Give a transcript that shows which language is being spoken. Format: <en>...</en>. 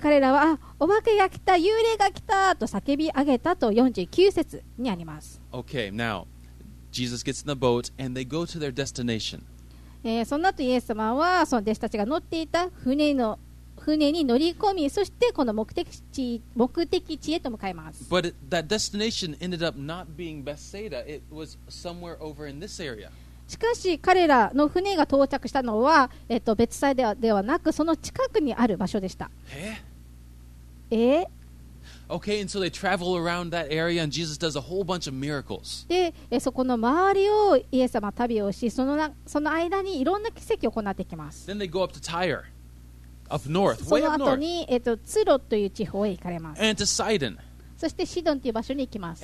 <ja>彼らはお化けが来た、幽霊が来たと叫び上げたと49節にあります。</ja> <en>Okay, now, Jesus gets in the boat and they go to their destination.</en> <ja>その後イエス様はその弟子たちが乗っていた船に乗り込み、そしてこの目的地へと向かいます。</ja> <en>But that destination ended up not being Bethsaida. It was somewhere over in this area.</en> <ja>しかし彼らの船が到着したのは、ベツサイダではなくその近くにある場所でした。え？え？</ja> <en>Okay, and so they travel around that area, and Jesus does a whole bunch of miracles.</en> <ja>で、そこの周りをイエス様旅をし、その間にいろんな奇跡を行ってきます。</ja> <en>Then they go up to Tyre, up north.</en> <ja>その後に、ツロという地方へ行かれます。</ja> <en>And to Sidon.</en> <ja>そしてシドンという場所に行きます。</ja>